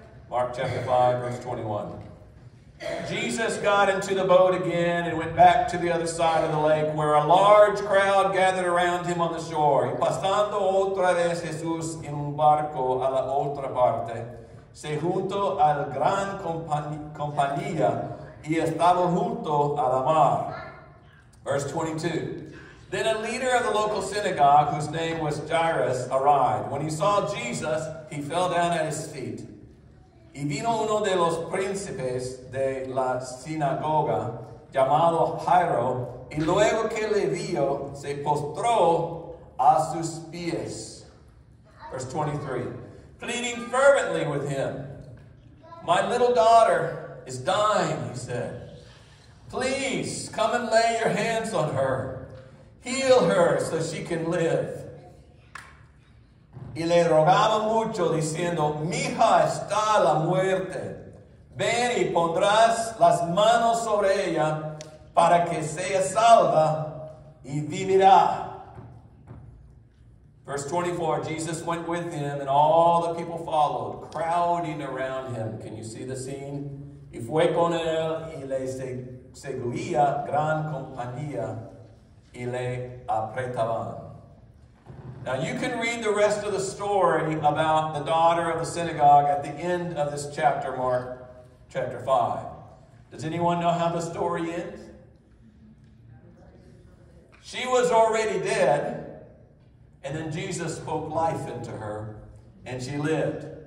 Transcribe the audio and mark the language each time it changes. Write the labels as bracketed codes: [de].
[en] Mark chapter 5, verse 21. Jesus got into the boat again and went back to the other side of the lake, where a large crowd gathered around him on the shore. [es] Y pasando otra vez Jesús en un barco a la otra parte, se junto al gran compañía y estamos juntos a la mar. [en] Verse 22. Then a leader of the local synagogue, whose name was Jairus, arrived. When he saw Jesus, he fell down at his feet. [es] Y vino uno de los príncipes de la sinagoga, llamado Jairo, y luego que le vio, se postró a sus pies. [en] Verse 23. Pleading fervently with him, "My little daughter is dying," he said. "Please come and lay your hands on her. Heal her so she can live." [es] Y le rogaba mucho diciendo, "Mi hija está a la muerte. Ven y pondrás las manos sobre ella para que sea salva y vivirá." [en] Verse 24, Jesus went with him and all the people followed, crowding around him. Can you see the scene? [es] Y fue con él y le seguía gran compañía y le apretaban. [en] Now you can read the rest of the story about the daughter of the synagogue at the end of this chapter, Mark chapter 5. Does anyone know how the story ends? She was already dead. And then Jesus spoke life into her, and she lived.